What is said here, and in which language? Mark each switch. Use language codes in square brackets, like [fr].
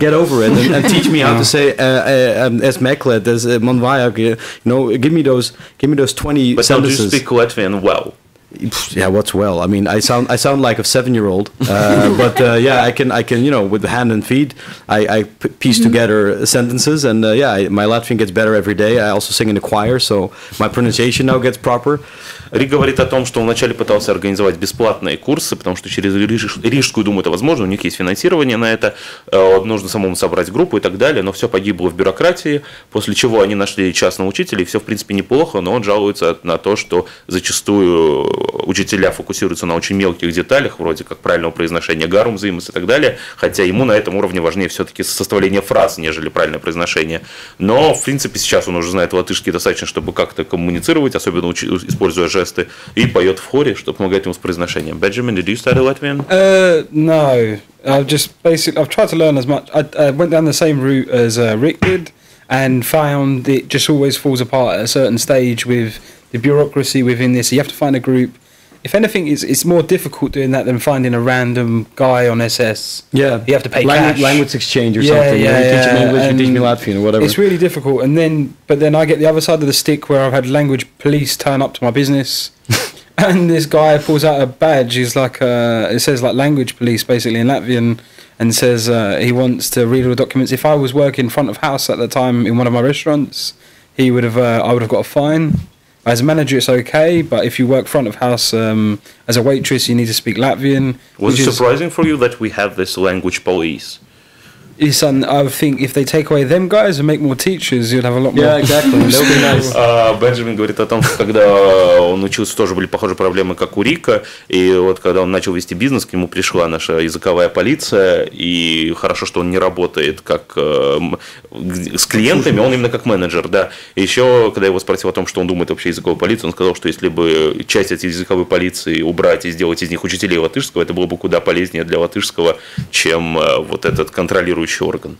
[en] Get over it and teach me how to say Es Meklet, Es Monvajak. You know, give me those 20 but But don't you speak Latvian well? Yeah, what's well? I mean, I sound like a 7-year old, but yeah, I can you know, with the hand and feet, I piece together sentences, and my Latvian gets better every day. I also sing in the choir, so my pronunciation now gets proper. [ru] Рик говорит о том, что он вначале пытался организовать бесплатные курсы, потому что через Рижскую думу это возможно, у них есть финансирование на это, нужно самому собрать группу и так далее, но все погибло в бюрократии, после чего они нашли частного учителя, и все, в принципе, неплохо, но он жалуется на то, что зачастую учителя фокусируются на очень мелких деталях, вроде как правильного произношения гарум, взаимос и так далее, хотя ему на этом уровне важнее все-таки составление фраз, нежели правильное произношение. Но, в принципе, сейчас он уже знает латышский достаточно, чтобы как-то коммуницировать, особенно используя жесты, и поет в хоре, чтобы помогать ему с произношением. Бенджамин, [en] did you study Latvian? No. I've tried to learn as much. I went down the same route as Rick did and found it just always falls apart at a certain stage with the bureaucracy within this. You have to find a group. If anything, it's more difficult doing that than finding a random guy on SS. Yeah. You have to pay cash. Language exchange or something. Yeah, you teach me English, and you teach me Latvian or whatever. It's really difficult. But then I get the other side of the stick where I've had language police turn up to my business. And this guy pulls out a badge. He's like, it says like language police basically in Latvian. And says he wants to read all the documents. If I was working front of house at the time in one of my restaurants, he would have. I would have got a fine. As a manager, it's okay, but if you work front of house as a waitress, you need to speak Latvian. Was it surprising for you that we have this language police? Son, I think if they take away them guys and make more teachers, you'd have a lot more. Yeah, exactly. That would be nice. [ru] Бенджамин говорит о том, что когда он учился, тоже были похожие проблемы, как у Рика. И вот когда он начал вести бизнес, к нему пришла наша языковая полиция. И хорошо, что он не работает как с клиентами, он именно как менеджер. Да. Еще, когда его спросил о том, что он думает вообще о языковой полиции, он сказал, что если бы часть этой языковой полиции убрать и сделать из них учителей латышского, это было бы куда полезнее для латышского, чем вот этот контролирующий орган.